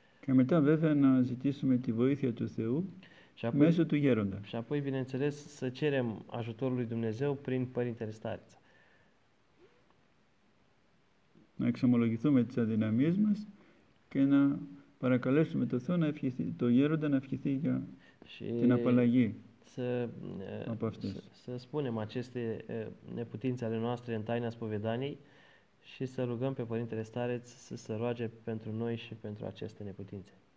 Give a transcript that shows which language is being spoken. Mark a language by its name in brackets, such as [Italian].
[Greek] Και μετά βέβαια να ζητήσουμε τη βοήθεια του Θεού μέσω του Γέροντα. [Romanian] Și apoi, bineînțeles, să cerem ajutorul lui Dumnezeu prin Părintele Stariță. [Greek] Να εξομολογηθούμε τις αδυναμίες μας και να παρακαλέσουμε το Θεό να ευχηθεί, το Γέροντα να ευχηθεί για την απαλλαγή από αυτές. [Romanian] Să spunem aceste neputințe ale noastre în taina spovedaniei și să rugăm pe Părintele Stareț să se roage pentru noi și pentru aceste neputințe.